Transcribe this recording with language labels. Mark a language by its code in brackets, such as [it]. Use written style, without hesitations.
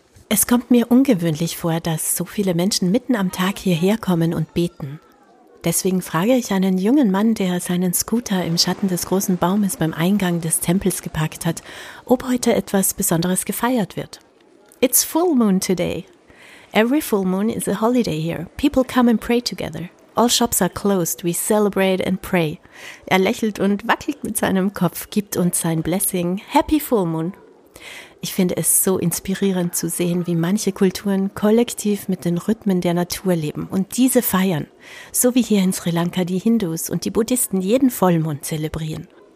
[de] Es kommt mir ungewöhnlich vor, dass so viele Menschen mitten am Tag hierher kommen und beten. Deswegen frage ich einen jungen Mann, der seinen Scooter im Schatten des großen Baumes beim Eingang des Tempels geparkt hat, ob heute etwas Besonderes gefeiert wird. [en] It's full moon today. Every full moon is a holiday here. People come and pray together. All shops are closed. We celebrate and pray. [de] Er lächelt und wackelt mit seinem Kopf, gibt uns sein Blessing. [en] Happy full moon. [de] Ich finde es so inspirierend zu sehen, wie manche Kulturen kollektiv mit den Rhythmen der Natur leben und diese feiern, so wie hier in Sri Lanka die Hindus und die Buddhisten jeden Vollmond zelebrieren.